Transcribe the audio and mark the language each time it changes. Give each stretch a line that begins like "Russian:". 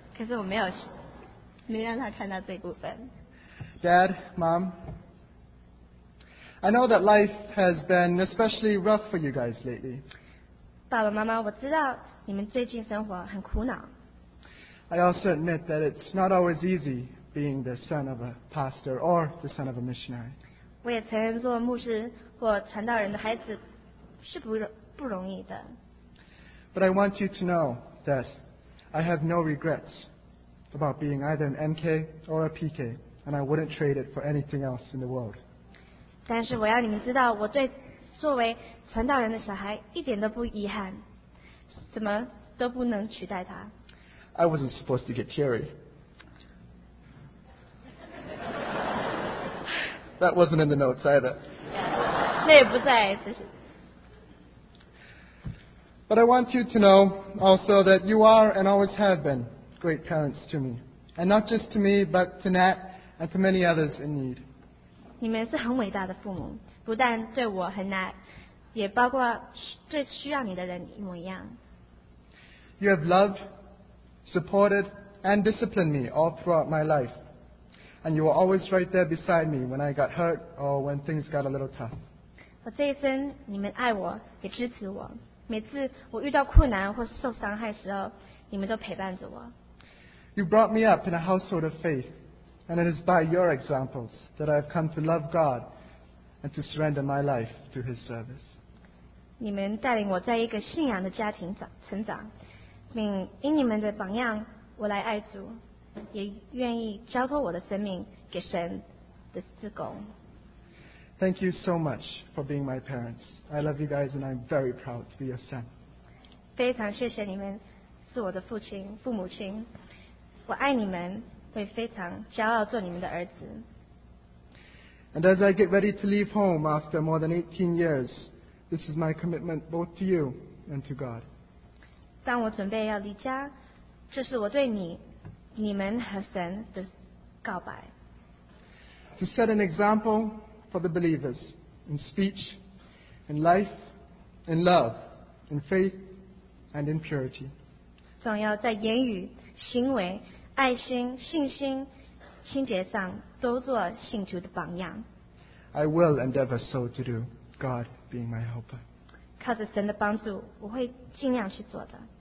Chinese: 可是我没让他看到这部分。
English: Dad, Mom,I know that life has been especially rough for you guys lately.
Chinese: 爸爸妈妈，我知道你们最近生活很苦恼。
English: I also admit that it's not always easy being the son of a pastor or the son of a missionary.
Chinese: 我也承认做牧师或传道人的孩子是不容易的。
English: But I want you to know that I have no regrets about being either an MK or a PK, and I wouldn't trade it for anything else in the world.
Chinese: 但是我要你们知道，我对作为传道人的小孩一点都不遗憾，什么都不能取代他。
English: I wasn't supposed to get teary. That wasn't in the notes either.
Chinese: 那也不在。
English: But I want you to know also that you are and always have been great parents to me, and not just to me, but to Nat and to many others in need.
Chinese: 你们是很伟大的父母，不但对我很难，也包括最需要你的人一模一样。
English: You have loved, supported, and disciplined me all throughout my life. And you were always right there beside me when I got hurt or when things got a little tough.
Chinese: 我这一生，你们爱我，也支持我。每次我遇到困难或受伤害的时候，你们都陪伴着我。
English: You brought me up in a household of faith, and it is by your examples that I have come to love God and to surrender my life to His service.
Chinese: 你们带领我在一个信仰的家庭成长，并因你们的榜样，我来爱主，也愿意交托我的生命给神的事工。
English: Thank you so much for being my parents. I love you guys and I'm very proud to be your son.
Chinese: 非常谢谢你们是我的父亲父母亲。我爱你们会非常骄傲做你们的儿子。
English: And as I get ready to leave home after more than 18 years, this is my commitment both to you and to God.
Chinese: 当我准备要离家这是我对你你们和神的告白。
English: To set an example,For the believers, in speech, in life, in love, in faith, and in purity.
Chinese: 总要在言语、行为、爱心、信心、清洁上都做信徒的榜样。
English: I will endeavor so to do, God being my helper.
Chinese: 靠着神的帮助，我会尽量去做的。